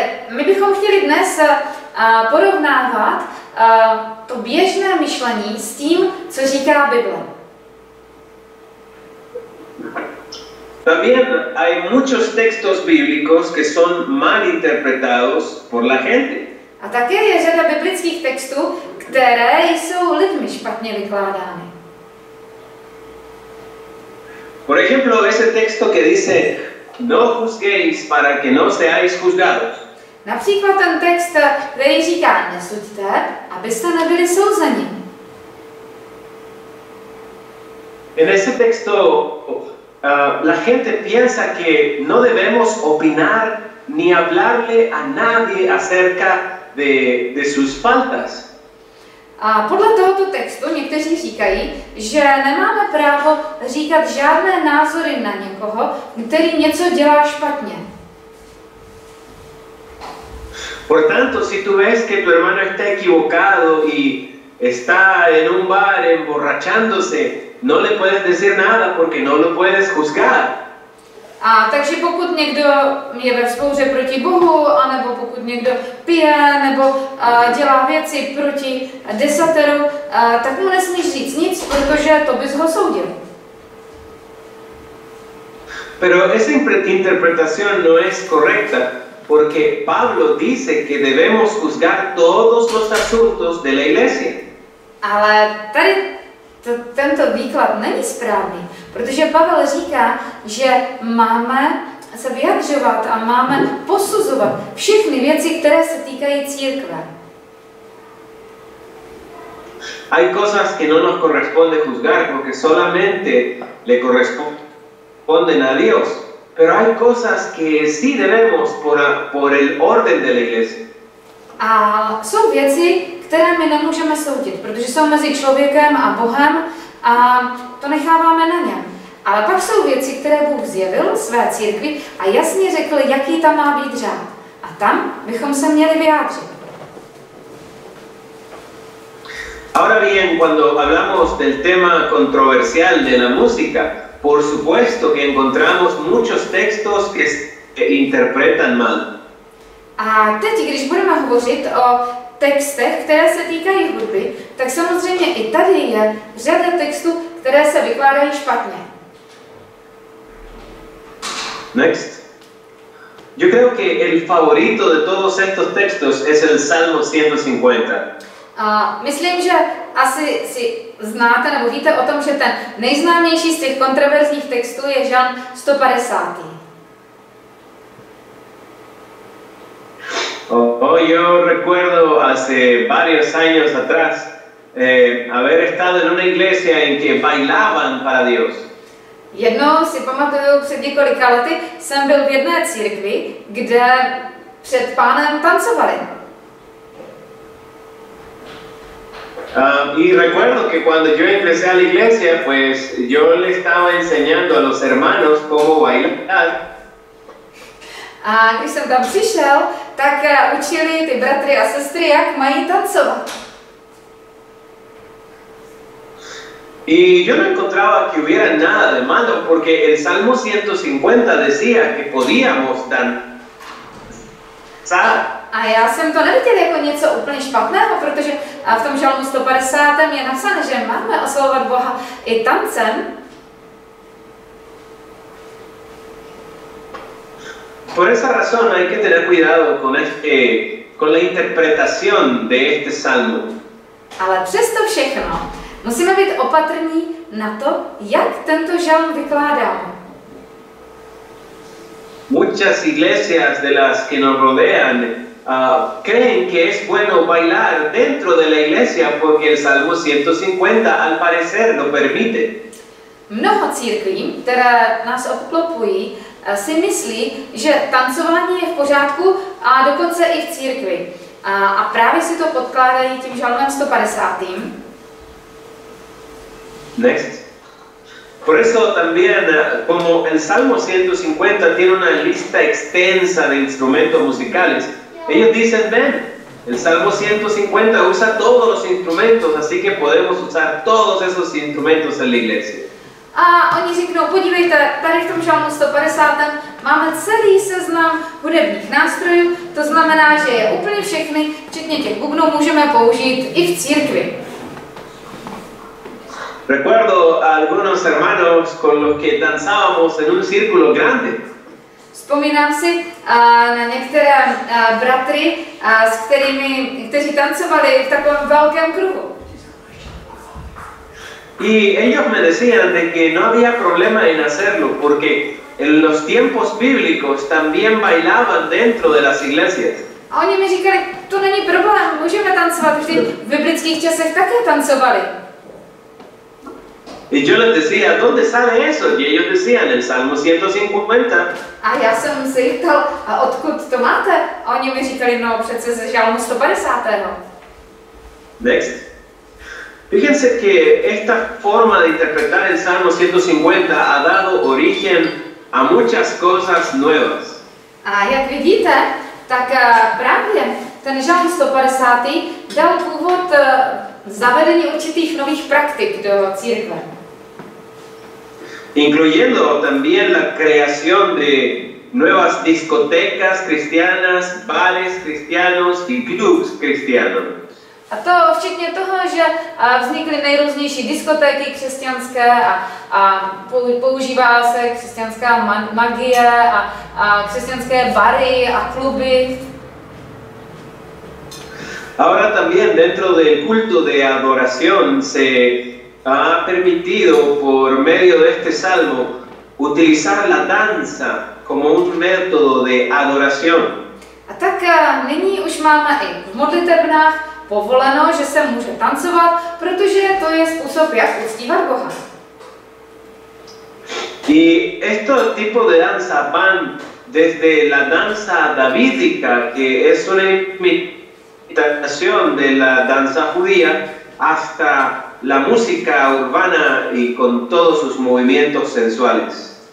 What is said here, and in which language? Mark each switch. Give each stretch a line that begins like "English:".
Czech: My bychom chtěli dnes porovnávat to běžné myšlení s tím, co říká Bible.
Spanish: También hay muchos textos bíblicos que son mal interpretados por la gente.
Czech: A také je řada biblických textů, které jsou lidmi špatně vykládány.
Spanish: Por ejemplo, ese texto que dice no juzguéis para que no seáis juzgados.
Czech: Například ten text, který říká nesuďte, abyste nebyli souzeni.
Spanish: En ese texto la gente piensa que no debemos opinar ni hablarle a nadie acerca de sus faltas.
Czech: A podle tohoto textu někteří říkají, že nemáme právo říkat žádné názory na někoho, který něco dělá špatně.
Spanish: Por tanto, si tú ves que tu hermano está equivocado y está en un bar emborrachándose, no le puedes decir nada porque no lo puedes juzgar.
Czech: A takže pokud někdo je ve vzpouře proti Bohu, anebo pokud někdo pije, nebo dělá věci proti desateru, tak mu nesmíš říct nic, protože to bys ho soudil.
Spanish: Pero esa interpretación no es correcta, porque Pablo dice que debemos juzgar todos los asuntos de la iglesia.
Czech: Ale tady tento výklad není správný, protože Pavel říká, že máme se vyjadřovat a máme posuzovat všechny věci, které se týkají církve.
Spanish: Hay cosas que no nos corresponde juzgar, porque solamente le corresponden a Dios, pero hay cosas que sí debemos por el orden de la iglesia.
Czech: A jsou věci, které my nemůžeme soudit, protože jsou mezi člověkem a Bohem a to necháváme na něm. Ale pak jsou věci, které Bůh zjevil své církvi a jasně řekl, jaký tam má být řád. A tam bychom se měli vyjádřit.
Spanish: Ahora bien, cuando hablamos del tema controversial de la música, por supuesto que encontramos muchos textos que se interpretan mal.
Czech: A teď, když budeme hovořit o textech, které se týkají hudby, tak samozřejmě i tady je řada textů, které se vykládají špatně.
English: Next.
Spanish: Yo creo que el favorito de todos estos textos es el Salmo 150.
Czech: Myslím, že asi si znáte nebo víte o tom, že ten nejznámější z těch kontroverzních textů je Žalm 150.
Spanish: Yo recuerdo hace varios años atrás haber estado en una iglesia en que bailaban para Dios.
Czech: Jednou si pamatuju, před několika lety jsem byl v jedné církvi, kde před Pánem tancovali.
Spanish: Y recuerdo que cuando yo empecé a la iglesia, pues yo le estaba enseñando a los hermanos cómo bailar.
Czech: A když jsem tam přišel, tak učili ty bratry a sestry, jak mají tancovat.
Spanish: Y yo no encontraba que hubiera nada de malo, porque el Salmo 150 decía que podíamos danzar.
Czech: A já jsem to neviděl jako něco úplně špatného, protože v tom Žalmu 150 je napsáno, že máme oslovovat Boha i tancem.
Spanish: Por esa razón hay que tener cuidado con la interpretación de este salmo.
Czech: Ale přesto všechno musíme být opatrní na to, jak tento žalm vykládáme.
Spanish: Muchas iglesias de las que nos rodean creen que es bueno bailar dentro de la iglesia porque el Salmo 150 al parecer lo permite.
Czech: Mnoho církví, které nás obklopují, si myslí, že tancování je v pořádku a dokonce i v církvi. A právě si to podkládají tím žalmem 150.
English: Next.
Spanish: Por eso también, como el Salmo 150 tiene una lista extensa de instrumentos musicales, ellos dicen, ven, el Salmo 150 usa todos los instrumentos, así que podemos usar todos esos instrumentos en la iglesia.
Czech: A oni řeknou, podívejte, tady v tom žalmu 150. máme celý seznam hudebních nástrojů, to znamená, že je úplně všechny, včetně těch bubnů, můžeme použít i v církvi.
Spanish: Recuerdo a algunos hermanos con los que danzábamos en un círculo grande.
Czech: Vzpomínám si na některé bratry, s kterými, kteří tancovali v takovém velkém kruhu.
Spanish: Y ellos me decían de que no había problema en hacerlo, porque en los tiempos bíblicos también bailaban dentro de las iglesias.
Czech: A oni mi říkali, to není problém, můžeme tancovat, vždy v biblických časech také tancovali.
Spanish: Y yo les decía, ¿dónde sale eso? Y ellos decían, el Salmo 150.
Czech: A já jsem se jítal, a odkud to máte? A oni mi říkali, no přece ze Žalmu 150.
English: Next.
Spanish: Fíjense que esta forma de interpretar el Salmo 150 ha dado origen a muchas cosas nuevas.
Czech: A jak vidíte, tak právě ten Žalm 150. dal původ zavedení určitých nových praktik do církve.
Spanish: Incluyendo también la creación de nuevas discotecas cristianas, bares cristianos y clubs cristianos.
Czech: A to včetně toho, že vznikly nejrůznější diskotéky křesťanské a používá se křesťanská magie a křesťanské bary a kluby.
Spanish: Ahora también dentro del culto de adoración se ha permitido por medio de este salmo utilizar la danza como un método de adoración.
Czech: A tak nyní už máme i v modlitebnách povoleno, že se může tancovat, protože to je způsob, jak uctívat Boha.
Spanish: Y este tipo de danza van desde la danza davídica, que es una imitación de la danza judía, hasta la música urbana y con todos sus movimientos sensuales.